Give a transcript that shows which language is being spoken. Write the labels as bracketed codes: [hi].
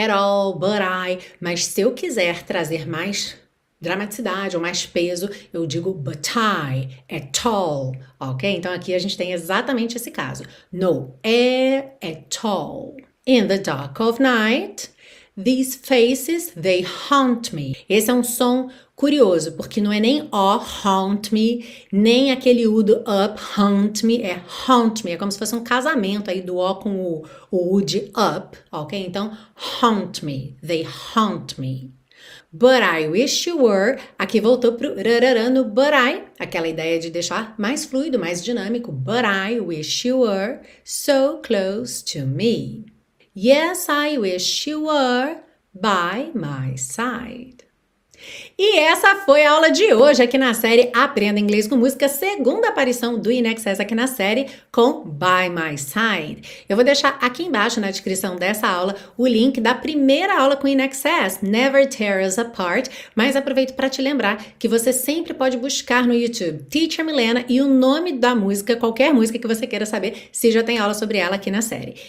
[en] At all, but I. [pt] Mas se eu quiser trazer mais dramaticidade ou mais peso, eu digo [en] but I, at all, [pt] ok? Então aqui a gente tem exatamente esse caso. [en] No air at all. In the dark of night, These faces, they haunt me. [pt] Esse é um som curioso, porque não é nem O, haunt me, nem aquele U do up, haunt me, é haunt me. É como se fosse um casamento aí do O com o U de up, ok? Então, [en] haunt me, they haunt me. But I wish you were, [pt] aqui voltou pro rararã no but I, aquela ideia de deixar mais fluido, mais dinâmico. [en] But I wish you were so close to me. Yes, I wish you were by my side. [pt] E essa foi a aula de hoje aqui na série Aprenda Inglês com Música, segunda aparição do INXS aqui na série com By My Side. Eu vou deixar aqui embaixo na descrição dessa aula o link da primeira aula com o INXS, Never Tear Us Apart, mas aproveito para te lembrar que você sempre pode buscar no YouTube Teacher Milena e o nome da música, qualquer música que você queira saber, se já tem aula sobre ela aqui na série.